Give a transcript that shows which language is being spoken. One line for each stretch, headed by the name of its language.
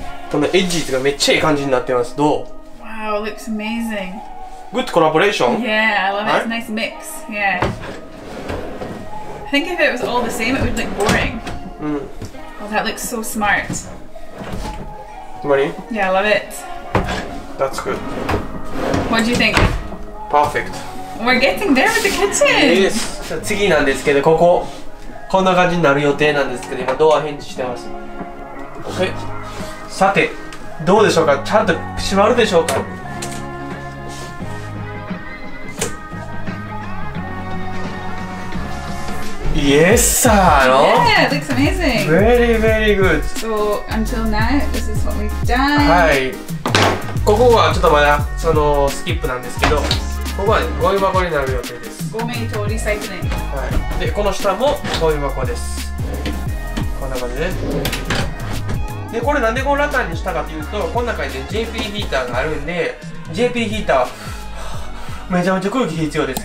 Japanese: このエッジがめっちゃいい感じになってます。どう。
English: Wow, looks amazing. Good collaboration. Yeah, I love it. It's a nice mix. Yeah. I think if it was all the same, it would look boring. Mm. Oh, that looks so smart. Money? Yeah, I love it. That's good. What do you think? Perfect. We're getting there with the kitchen! Yes!
Japanese: じゃあ次なんですけど、ここ。こんな感じになる予定なんですけど、今ドア返事してます。 OK! さて、どうでしょうか？ちゃんと閉まるでしょうか？
English: Yes, sir! Yeah, it looks amazing! Very, very good! So, until now, this is what we've done.
Japanese: はい。ここはちょっとまだそのスキップなんですけど、ここはゴミ箱になる予定です。ゴミとリサイクリング。はい。で、この下もゴミ箱です。こんな感じで。で、これなんでこのラタンにしたかというと、この中にね、JP ヒーターがあるんで、JP ヒーター、めちゃめちゃ空気必要です。